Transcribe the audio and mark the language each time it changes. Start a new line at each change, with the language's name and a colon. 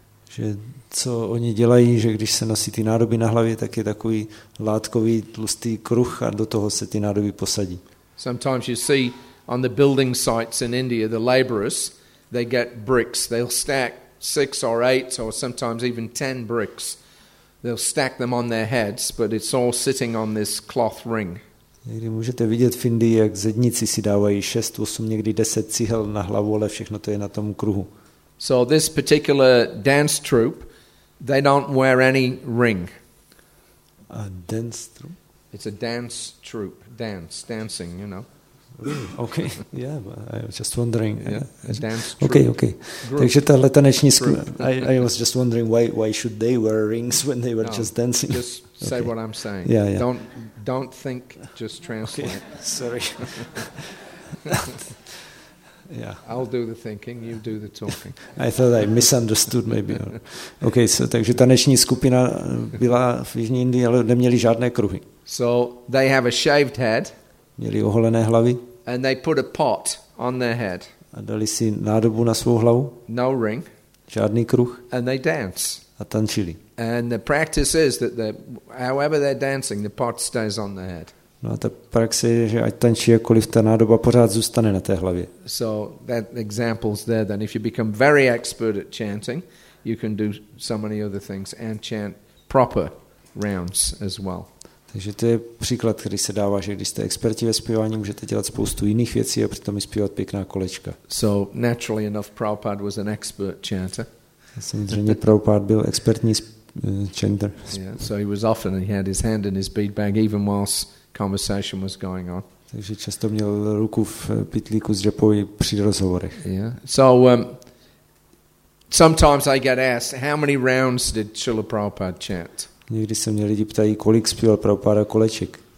Czech: Že co oni dělají, že když se nosí ty nádoby na hlavě, tak je takový látkový tlustý kruh a do toho se ty nádoby posadí.
English: Sometimes you see on the building sites in India, the laborers, they get bricks, they'll stack 6 or 8 or sometimes even 10 bricks. They'll stack them on their heads, but it's all sitting on this cloth ring.
Czech: Někdy můžete vidět v Indii, jak zedníci si dávají 6, 8, někdy 10 cihel na hlavu, ale všechno to je na tom kruhu.
English: So this particular dance troupe, they don't wear any ring. A dance troupe? It's a dance troupe, dancing, you know. Okay. Yeah, but I was just wondering. Yeah, a dance troupe. Okay, okay.
Czech: Takže tahle taneční skupina.
English: I was just wondering why should they wear rings when they were just dancing? Just say what I'm saying. Yeah, yeah. Don't think, just translate. Okay. Sorry. Yeah. I'll do the thinking, you do the talking. I thought I misunderstood maybe. Okay, so
Czech: takže taneční skupina byla v Jižní Indii, ale neměli žádné kruhy.
English: So they have a shaved head.
Czech: Měli oholené hlavy.
English: And they put a pot on their head.
Czech: A dali si nádobu na svou hlavu.
English: No ring.
Czech: Žádný kruh.
English: And they dance.
Czech: A tančili.
English: And the practice is that however they're dancing, the pot stays on their head.
Czech: No a ta praxe je, že ať tančí jakkoliv, ta nádoba pořád zůstane na té hlavě.
English: So that example's there then. If you become very expert at chanting, you can do so many other things and chant proper rounds as well.
Czech: Takže to je příklad, který se dává, že když jste experti ve zpívání, můžete dělat spoustu jiných věcí a přitom i zpívat pěkná kolečka.
English: So naturally enough, Prabhupada was an expert chanter.
Czech: Samozřejmě Prabhupada byl expertní chanter.
English: Yeah, so he was often, he had his hand in his bead bag even whilst conversation was going on.
Czech: Takže často měl ruku v pytlíku s džepou při rozhovorech.
English: Yeah. So sometimes I get asked, how many rounds did Srila Prabhupada chant?
Czech: Někdy se mě lidi ptají, kolik zpíval Prabhupada koleček.